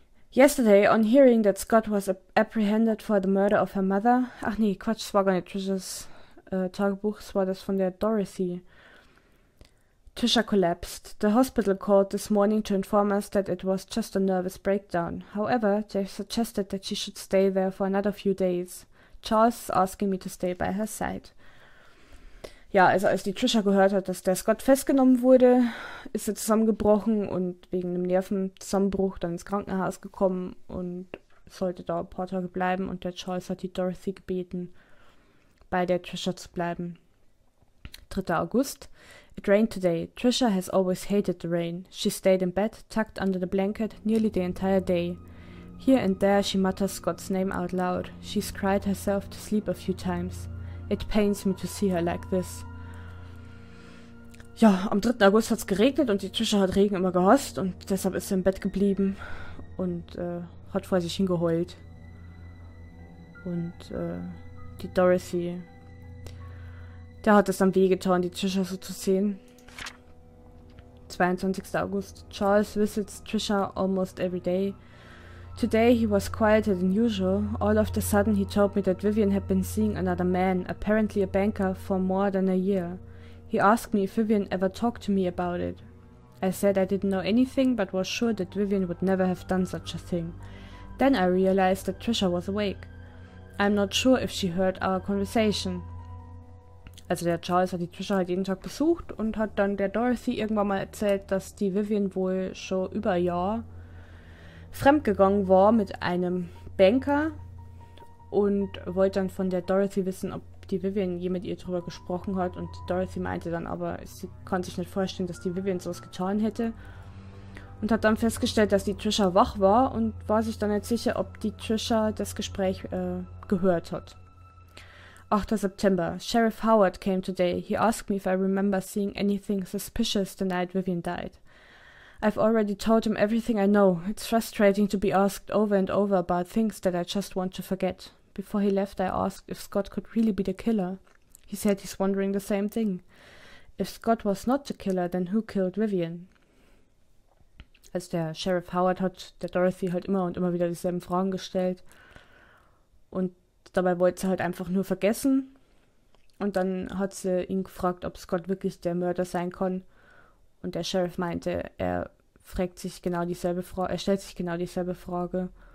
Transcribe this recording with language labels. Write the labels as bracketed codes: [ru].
[en] Yesterday, on hearing that Scott was apprehended for the murder of her mother. [de] Ach nee, Quatsch, es war gar nicht Trishas Tagebuch, war das von der Dorothy. [en] Trisha collapsed. The hospital called this morning to inform us that it was just a nervous breakdown. However, they suggested that she should stay there for another few days. Charles is asking me to stay by her side. [de] Ja, also als die Trisha gehört hat, dass der Scott festgenommen wurde, ist sie zusammengebrochen und wegen einem Nervenzusammenbruch dann ins Krankenhaus gekommen und sollte da ein paar Tage bleiben und der Charles hat die Dorothy gebeten, bei der Trisha zu bleiben. [en] 3. August. It rained today. Trisha has always hated the rain. She stayed in bed, tucked under the blanket, nearly the entire day. Here and there she mutters Scott's name out loud. She's cried herself to sleep a few times. It pains me to see her like this. [de] Ja, am 3. August hat's geregnet und die Trisha hat Regen immer gehasst und deshalb ist sie im Bett geblieben und hat vor sich hingeheult. Und die Dorothy, der hat es dann wehgetan, die Trisha so zu sehen. [en] 22. August. Charles visits Trisha almost every day. Today he was quieter than usual. All of a sudden he told me that Vivian had been seeing another man, apparently a banker, for more than a year. He asked me if Vivian ever talked to me about it. I said I didn't know anything, but was sure that Vivian would never have done such a thing. Then I realized that Trisha was awake. I'm not sure if she heard our conversation. [de] Also der Charles hat die Trisha halt jeden Tag besucht und hat dann der Dorothy irgendwann mal erzählt, dass die Vivian wohl schon über ein Jahr fremdgegangen war mit einem Banker und wollte dann von der Dorothy wissen, ob die Vivian je mit ihr drüber gesprochen hat. Und Dorothy meinte dann aber, sie konnte sich nicht vorstellen, dass die Vivian sowas getan hätte. Und hat dann festgestellt, dass die Trisha wach war und war sich dann nicht sicher, ob die Trisha das Gespräch gehört hat. [en] 8. September. Sheriff Howard came today. He asked me if I remember seeing anything suspicious the night Vivian died. I've already told him everything I know. It's frustrating to be asked over and over about things that I just want to forget. Before he left, I asked if Scott could really be the killer. He said he's wondering the same thing. If Scott was not the killer, then who killed Vivian? [de] Also der Sheriff Howard hat der Dorothy halt immer und immer wieder dieselben Fragen gestellt. Und dabei wollte sie halt einfach nur vergessen. Und dann hat sie ihn gefragt, ob Scott wirklich der Mörder sein kann. Und der Sheriff meinte, er stellt sich genau dieselbe Frage.